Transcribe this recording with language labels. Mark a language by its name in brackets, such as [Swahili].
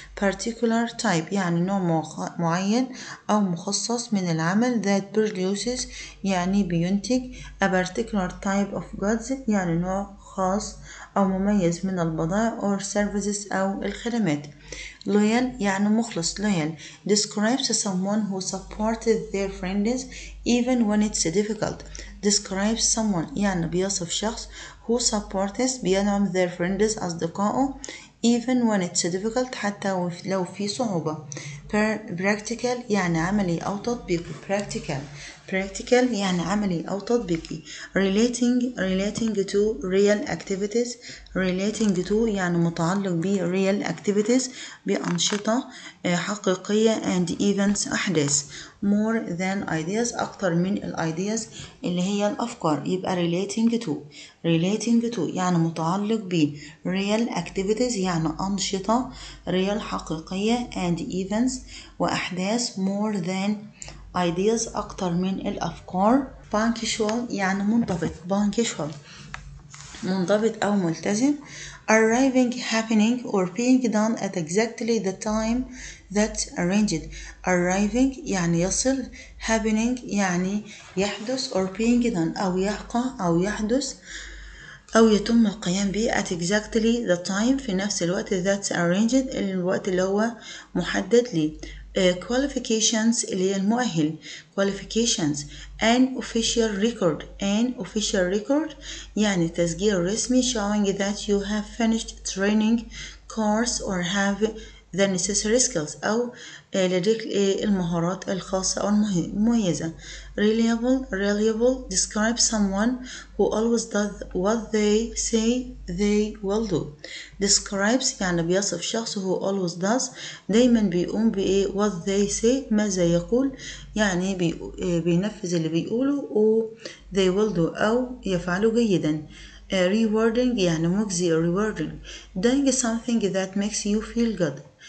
[English] Particular type [Arabic] يعني نوع معين أو مخصص من العمل. [English] That produces [Arabic] يعني بينتج. [English] A particular type of goods [Arabic] يعني نوع خاص أو مميز من البضائع [English] or services [Arabic] أو الخدمات. Loyal يعني مخلص. [English] Loyal describes someone who supported their friends even when it's difficult. Describes someone [Arabic] يعني بيصف شخص [English] who supports [Arabic] بيدعم [English] their friends [Arabic] أصدقائه [English] even when it's difficult [Arabic] حتى لو في صعوبة. Practical يعني عملي أو تطبيقي. [English] Practical. Practical [Arabic] يعني عملي أو تطبيقي. [English] Relating to real activities. Relating to [Arabic] يعني متعلق ب [English] real activities [Arabic] بأنشطة حقيقية [English] and events [Arabic] أحداث. [English] More than ideas [Arabic] أكثر من الideas اللي هي الأفكار يبقى [English] relating to. Relating to [Arabic] يعني متعلق ب [English] real activities [Arabic] يعني أنشطة [English] real [Arabic] حقيقية [English] and events [Arabic] وأحداث. [English] More than ideas [Arabic] أكتر من الأفكار. Punctual يعني منضبط. Punctual منضبط أو ملتزم. [English] Arriving happening or being done at exactly the time that arranged. [Arabic] Arriving يعني يصل. Happening يعني يحدث [English] or being done [Arabic] أو يحقى أو يحدث. أو يتم القيام به [English] at exactly the time [Arabic] في نفس الوقت [English] that's arranged [Arabic] الوقت اللي هو محدد لي. [English] Qualifications [Arabic] اللي هي المؤهل [English] qualifications an official record an official record [Arabic] يعني تسجيل رسمي [English] showing that you have finished training course or have the necessary skills [Arabic] أو لديك المهارات الخاصة أو المميزة. [English] Reliable describe someone who always does what they say they will do. [Arabic] Describes يعني بيصف شخص [English] who always does [Arabic] دايما بيقوم بإيه [English] what they say [Arabic] ماذا يقول يعني بينفذ اللي بيقوله أو [English] they will do [Arabic] أو يفعله جيدا. [English] Rewarding [Arabic] يعني مجزي [English] rewarding doing something that makes you feel good.